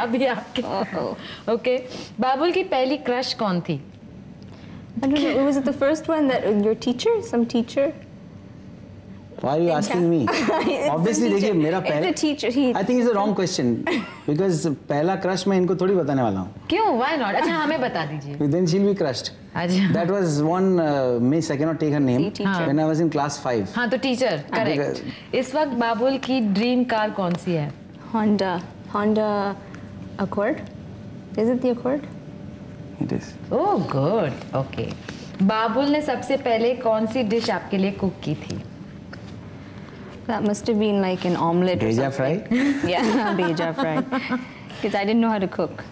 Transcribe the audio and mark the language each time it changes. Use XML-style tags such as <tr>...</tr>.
<hi>अभी आपके okay. बाबुल की पहली क्रश कौन थी?</hi> <en>I don't know. Was it the first one that your teacher, some teacher? Why are you asking me?</en> <hi>Obviously, देखिए मेरा पहला</hi> <en>I think it's the wrong question because</en> <hi>पहला crush मैं इनको थोड़ी बताने वाला हूँ। क्यों?</hi> <en>Why not?</en> <hi>अच्छा हमें बता दीजिए।</hi> <en>Then she'll be crushed.</en> <hi>अच्छा।</hi> <en>That was one miss. I cannot take her name. Teacher. When I was in class 5.</en> <hi>हाँ तो teacher.</hi> <en>Correct.</en> <hi>इस वक्त बाबुल की dream car कौन सी है?</hi> <en>Honda. Honda Accord. Is it the Accord? It is. Oh good. Okay.</en> <hi>बाबुल ने सबसे पहले कौन सी dish आपके लिए cook की थी?</hi> <en>That must have been like an omelette.</en> <hi>Beja</hi> <en>or something. Fry? Yeah, beja fry. Because I didn't know how to cook.</en>